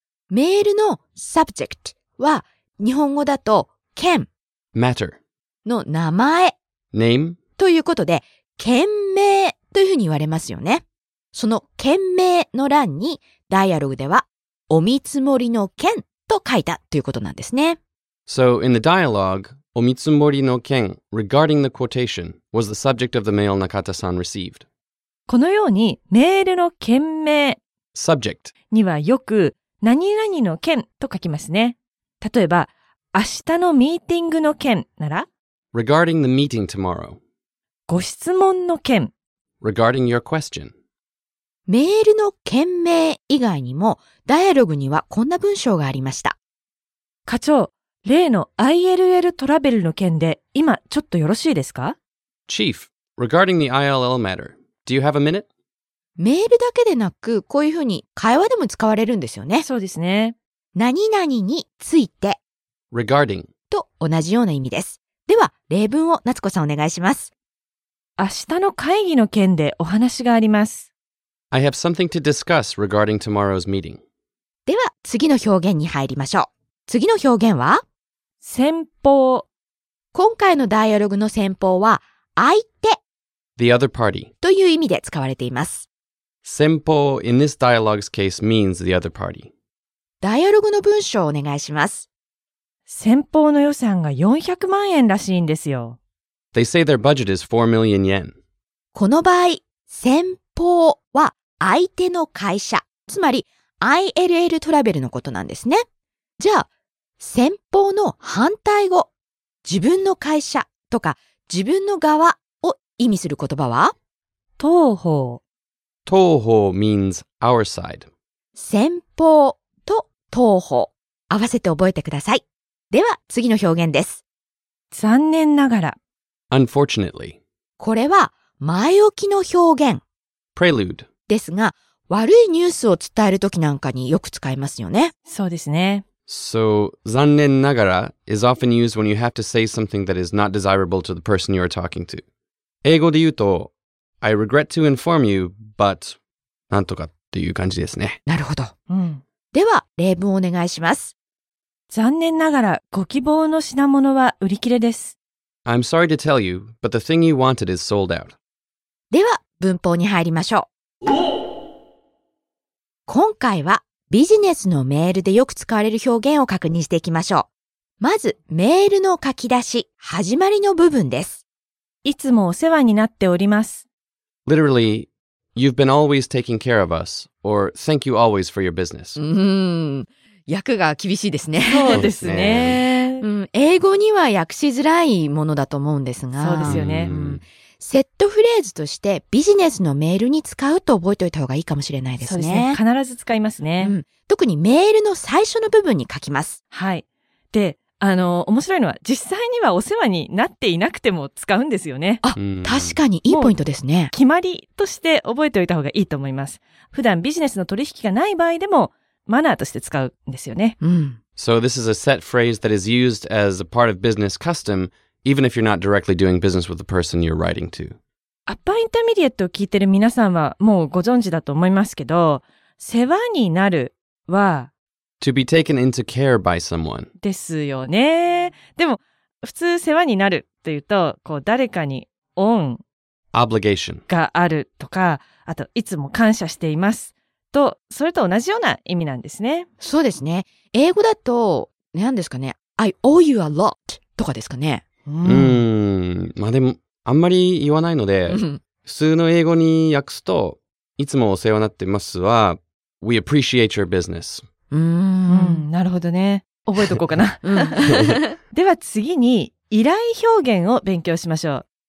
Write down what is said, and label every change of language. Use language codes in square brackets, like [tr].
[ja] メールの subject は日本語だと件。 [en] matter [ja] の名前。 [en] name [ja] ということで、件名というふうに言われますよね。その件名の欄に、ダイアログでは、お見積もりの件と書いたということなんですね。 [en] So, in the dialogue, [ja] お見積もりの件 [en] regarding the quotation was the subject of the mail Nakata-san received. [ja] このように、メールの件名 [en] subject [ja] にはよく、何々の件と書きますね。例えば、明日のミーティングの件なら [en] Regarding the meeting tomorrow. [ja] ご質問の件 [en] Regarding your question. [ja] メールの件名以外にも、ダイアログにはこんな文章がありました。課長、例の ILL トラベルの件で、今ちょっとよろしいですか [en] ?Chief, regarding the ILL matter, do you have a minute? [ja] メールだけでなく、こういうふうに会話でも使われるんですよね。そうですね。何々について。 [en] Regarding. [ja] と同じような意味です。では、例文を夏子さんお願いします。明日の会議の件でお話があります。 [en] I have something to discuss regarding tomorrow's meeting. [ja] では、次の表現に入りましょう。次の表現は先方。今回のダイアログの先方は、相手。 [en] The other party. [ja] という意味で使われています。 [en] 先方 in this dialogue's case means the other party. [ja] ダイアログの文章をお願いします。先方の予算が400万円らしいんですよ。 [en] They say their budget is 4 million yen. [ja] この場合、先方は相手の会社、つまり ILL トラベルのことなんですね。じゃあ、先方の反対語、自分の会社とか自分の側を意味する言葉は？東方。 [en] 東方 means our side. [ja] 先方と東方、合わせて覚えてください。では、次の表現です。残念ながら。 [en] Unfortunately. [ja] これは前置きの表現。 [en] Prelude. [ja] ですが、悪いニュースを伝えるときなんかによく使いますよね。そうですね。 [en] So, 残念ながら is often used when you have to say something that is not desirable to the person you are talking to. [ja] 英語で言うと、 [en] I regret to inform you, but [ja] なんとかっていう感じですね。なるほど。うん。では、例文をお願いします。残念ながら、ご希望の品物は売り切れです。 I'm sorry to tell you, but the thing you wanted is sold out. では、文法に入りましょう。今回は、ビジネスのメールでよく使われる表現を確認していきましょう。まず、メールの書き出し、始まりの部分です。いつもお世話になっております。 [en] Literally, you've been always taking care of us, or thank you always for your business. [ja] 訳が厳しいですね。そうですね。うん、英語には訳しづらいものだと思うんですが。そうですよね。うん、セットフレーズとしてビジネスのメールに使うと覚えておいた方がいいかもしれないですね。そうですね。必ず使いますね。うん、特にメールの最初の部分に書きます。はい。で、面白いのは実際にはお世話になっていなくても使うんですよね。あ、確かにいいポイントですね。決まりとして覚えておいた方がいいと思います。普段ビジネスの取引がない場合でも、マナーとして使うんですよね。うん。 [en] So this is a set phrase that is used as a part of business custom, even if you're not directly doing business with the person you're writing to. [ja] Upper Intermediate を聞いてる皆さんはもうご存知だと思いますけど、世話になるは、 [en] to be taken into care by someone. [ja] ですよね。でも、普通世話になるというと、こう誰かに恩、 [en] obligation [ja] があるとか、あと、いつも感謝しています。とそれと同じような意味なんですね。そうですね。英語だと何ですかね。 [en] I owe you a lot [ja] とかですかね。まあでもあんまり言わないので、普通の英語に訳すといつもお世話になってますは、 [en] We appreciate your business。 [ja] なるほどね。覚えとこうかな。では次に依頼表現を勉強しましょう。